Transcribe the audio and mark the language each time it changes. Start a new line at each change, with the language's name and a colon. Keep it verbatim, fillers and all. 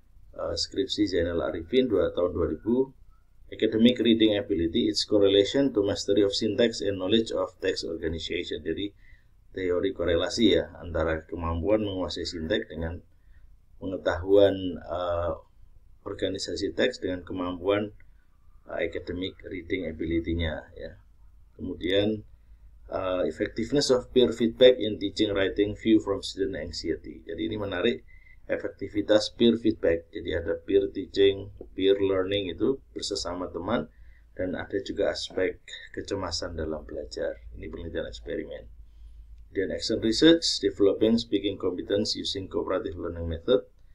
Indonesian: Uh, skripsi Zainal Arifin dua tahun dua ribu,
English: Academic Reading Ability, Its Correlation to Mastery of Syntax and Knowledge of Text Organization.
Indonesian: Jadi teori korelasi ya antara kemampuan menguasai sinteks dengan pengetahuan uh, organisasi teks dengan kemampuan uh,
English: academic reading ability-
Indonesian: nya ya. Kemudian uh,
English: effectiveness of peer feedback in teaching writing view from student anxiety.
Indonesian: Jadi ini menarik, efektivitas peer feedback. Jadi ada peer teaching, peer learning itu bersesama teman, dan ada juga aspek kecemasan dalam belajar. Ini penelitian eksperimen. Dan
English: action research, developing speaking competence using cooperative learning method.